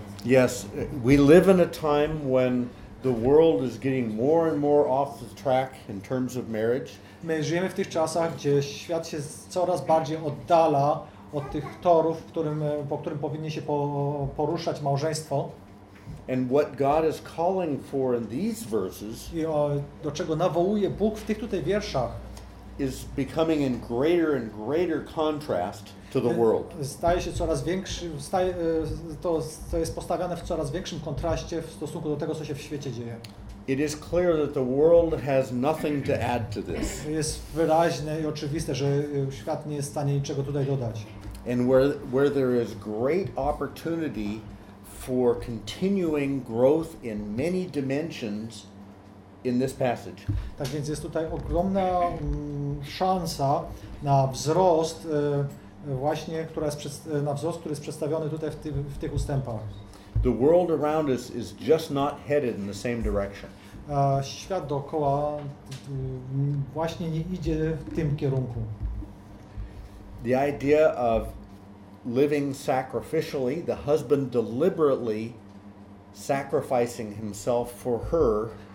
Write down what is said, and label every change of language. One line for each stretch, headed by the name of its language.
English: Yes, we live in a time when the world is getting more and more off the track in terms of marriage.
Polish: My żyjemy w tych czasach, gdzie świat się coraz bardziej oddala od tych torów, po którym powinien się poruszać małżeństwo.
English: And what God is calling for in these verses,
Polish: do czego nawołuje Bóg w tych tutaj wierszach,
English: is becoming in greater and greater contrast to the world.
Polish: Staje się coraz większy, to jest postawiane w coraz większym kontraście w stosunku do tego, co się w świecie dzieje.
English: It is clear that the world has nothing to add to this.
Polish: Jest wyraźne i oczywiste, że świat nie jest w stanie niczego tutaj dodać.
English: And where there is great opportunity for continuing growth in many dimensions in this passage.
Polish: Tak więc jest tutaj ogromna szansa na wzrost właśnie, która jest na wzrost, który jest przedstawiony tutaj w tych ustępach.
English: The world around us is just not headed in the same direction.
Polish: Świat dookoła właśnie nie idzie w tym kierunku.
English: The idea of living sacrificially, the husband deliberately sacrificing himself for her.